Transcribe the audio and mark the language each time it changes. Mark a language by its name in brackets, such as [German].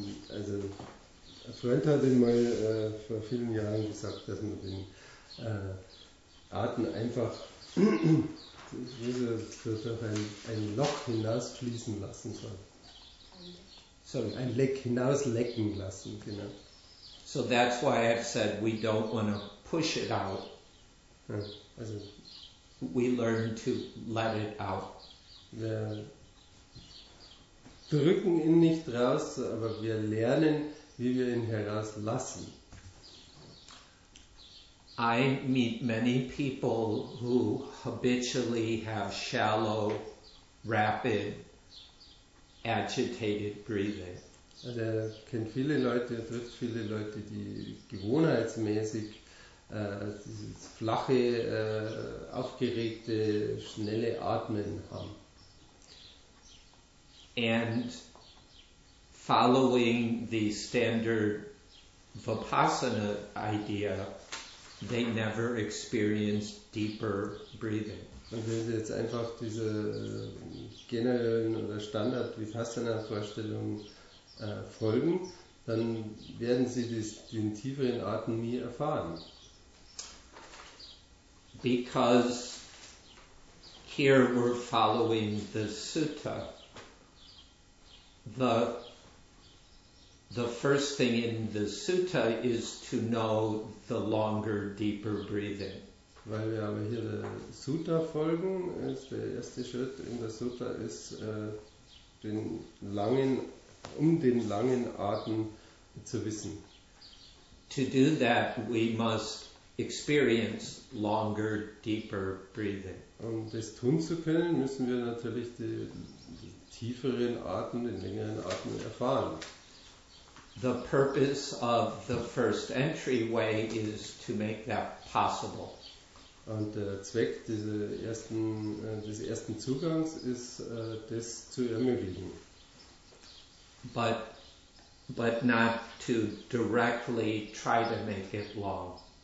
[German] Also ein Freund hat ihm mal vor vielen Jahren gesagt, dass man den Atem einfach durch ein Loch hinausfließen lassen soll. Sorry, ein Leck hinaus lecken lassen, genau. [English] So that's why I've said we don't want to push it out. [German] Also, [English] we learn to let it out. [German] Wir drücken ihn nicht raus, aber wir lernen, wie wir ihn herauslassen. [English] I meet many people who habitually have shallow, rapid, agitated breathing. [German] Also er kennt viele Leute, er trifft viele Leute, die gewohnheitsmäßig dieses flache, aufgeregte, schnelle Atmen haben. [English] And following the standard Vipassana idea, they never experience deeper breathing. [German] Und wenn Sie jetzt einfach diese generellen oder Standard Vipassana-Vorstellung folgen, dann werden Sie den tieferen Atem nie erfahren. [English] Because here we're following the Sutta. The first thing in the Sutta is to know the longer, deeper breathing. [German] Weil wir aber hier der Sutta folgen, ist der erste Schritt in der Sutta ist, den langen Atem zu wissen. [English] To do that, we must experience longer, deeper breathing. [German] Um das tun zu können, müssen wir natürlich den tieferen Atem, den längeren Atem erfahren. [English] The purpose of the first entryway is to make that possible. [German] Und der Zweck des ersten Zugangs ist, das zu ermöglichen. [English] But not to directly try to make it long.